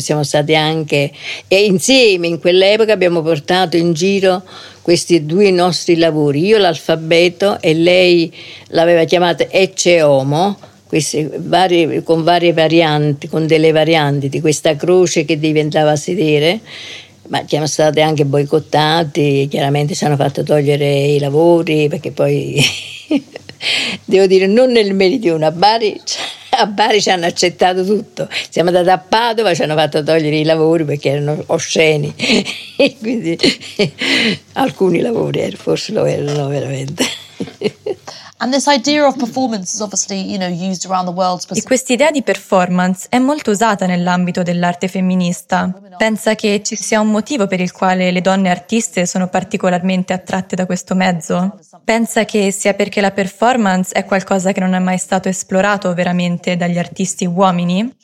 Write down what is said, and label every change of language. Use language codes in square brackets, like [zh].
[it] Siamo stati anche insieme in quell'epoca, abbiamo portato in giro questi due nostri lavori, io l'alfabeto e lei l'aveva chiamata Ecce Homo, con varie varianti, con delle varianti di questa croce che diventava sedere, ma siamo stati anche boicottati, chiaramente ci hanno fatto togliere i lavori, perché poi devo dire, non nel meridione, a Bari ci hanno accettato tutto, siamo andati a Padova, ci hanno fatto togliere i lavori perché erano osceni quindi alcuni lavori forse lo erano veramente. [en] And this idea of performance is obviously, you know, used around the world. [it] E quest'idea di performance è molto usata nell'ambito dell'arte femminista. Pensa che ci sia un motivo per il quale le donne artiste sono particolarmente attratte da questo mezzo? Pensa che sia perché la performance è qualcosa che non è mai stato esplorato veramente dagli artisti uomini?